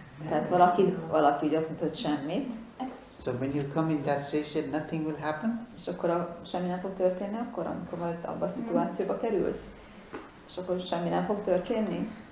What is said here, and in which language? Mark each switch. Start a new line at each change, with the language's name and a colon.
Hungarian: Tehát valaki így azt mondta, hogy semmit.
English: So when you come in that situation, nothing will happen?
Hungarian: És akkor semmi nem fog történni, akkor amikor majd abba a szituációba kerülsz? És akkor semmi nem fog történni?